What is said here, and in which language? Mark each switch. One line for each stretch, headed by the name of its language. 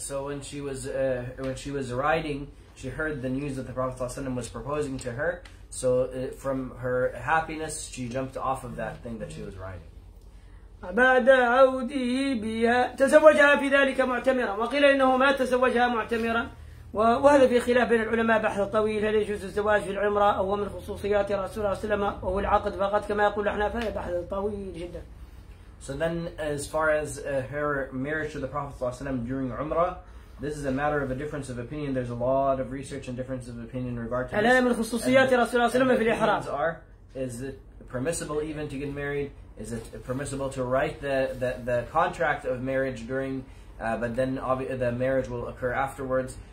English: So when she was riding, she heard the news that the Prophet ﷺ was proposing to her. So from her happiness, she jumped off of that thing that she was riding.
Arabic: بعد عوده بها تزوجها في ذلك معتمرا وقيل إنه ما تزوجها معتمرا وهذا في خلاف بين العلماء بحث طويل هل يجوز الزواج في العمرة أو هو من خصوصيات رسول الله صلى الله عليه وسلم أو العقد فقط كما يقول الأحناف فهذا بحث طويل جدا.
English: So then as far as her marriage to the Prophet صلى الله عليه وسلم during عمرة, this is a matter of a difference of opinion. There's a lot of research and difference of opinion in regard to this.
Arabic: هل من خصوصيات رسول الله صلى الله عليه وسلم في الإحرام؟
English: Is it permissible even to get married? Is it permissible to write the contract of marriage during, but then the marriage will occur afterwards?